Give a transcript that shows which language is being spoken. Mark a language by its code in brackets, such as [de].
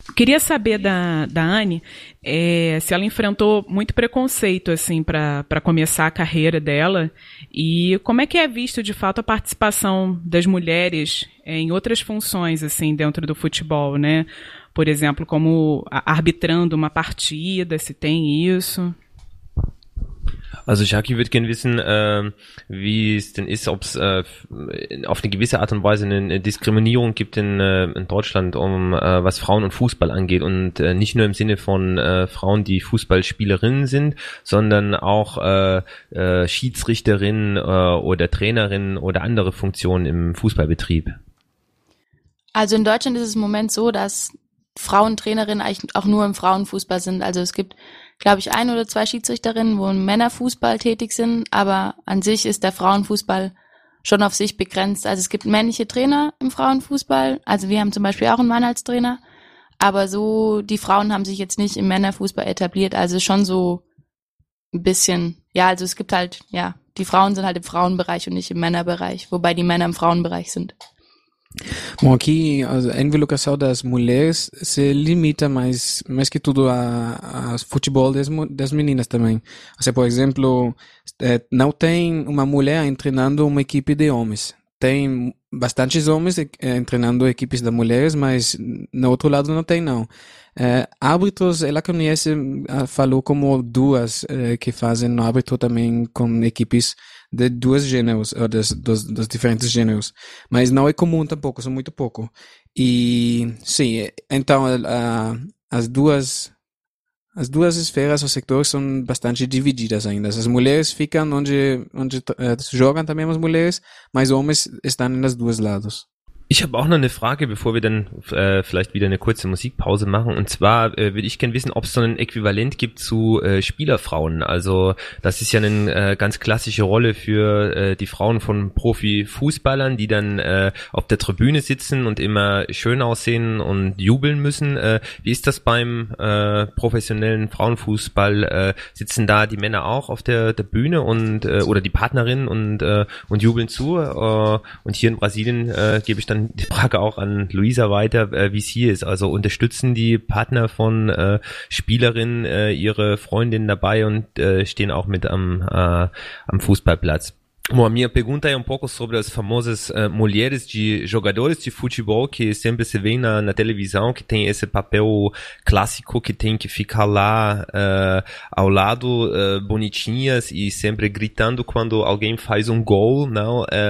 [pt] Queria saber da Anne se ela enfrentou muito preconceito assim, para começar a carreira dela e como é que é visto, de fato, a participação das mulheres em outras funções assim, dentro do futebol, né? Por exemplo, como arbitrando uma partida, se tem isso... [de] Also Jackie würde gerne wissen, wie es denn ist, ob es auf eine gewisse Art und Weise eine Diskriminierung gibt in Deutschland, was Frauen und Fußball angeht und nicht nur im Sinne von Frauen, die Fußballspielerinnen sind, sondern auch Schiedsrichterinnen oder Trainerinnen oder andere Funktionen im Fußballbetrieb. Also in Deutschland ist es im Moment so, dass Frauentrainerinnen eigentlich auch nur im Frauenfußball sind. Also es gibt, glaube ich, ein oder zwei Schiedsrichterinnen, wo im Männerfußball tätig sind, aber an sich ist der Frauenfußball schon auf sich begrenzt. Also es gibt männliche Trainer im Frauenfußball, also wir haben zum Beispiel auch einen Mann als Trainer, aber so die Frauen haben sich jetzt nicht im Männerfußball etabliert, also schon so ein bisschen, ja, also es gibt halt, ja, die Frauen sind halt im Frauenbereich und nicht im Männerbereich, wobei die Männer im Frauenbereich sind. [pt] Bom, aqui a invocação das mulheres se limita mais que tudo ao futebol das meninas também. Ou seja, por exemplo, não tem uma mulher treinando uma equipe de homens. Tem bastantes homens treinando equipes das mulheres, mas no outro lado não tem, não. Árbitros, ela conhece, falou como duas que fazem no árbitro também com equipes de duas gêneros, ou dos diferentes gêneros. Mas não é comum tampouco, são muito pouco. E, sim, então, as duas esferas ou sectores são bastante divididas ainda. As mulheres ficam onde jogam também as mulheres, mas homens estão nas duas lados. [de] Ich habe auch noch eine Frage, bevor wir dann vielleicht wieder eine kurze Musikpause machen. Und zwar würde ich gerne wissen, ob es so ein Äquivalent gibt zu Spielerfrauen. Also das ist ja eine ganz klassische Rolle für die Frauen von Profifußballern, die dann auf der Tribüne sitzen und immer schön aussehen und jubeln müssen. Wie ist das beim professionellen Frauenfußball? Sitzen da die Männer auch auf der Bühne und oder die Partnerinnen und jubeln zu? Und hier in Brasilien gebe ich dann die Frage auch an Luisa weiter, wie es hier ist. Also unterstützen die Partner von Spielerinnen ihre Freundinnen dabei und stehen auch mit am Fußballplatz? [pt] Bom, a minha pergunta é um pouco sobre as famosas mulheres de jogadores de futebol que sempre se vê na televisão, que tem esse papel clássico, que tem que ficar lá ao lado, bonitinhas e sempre gritando quando alguém faz um gol, não?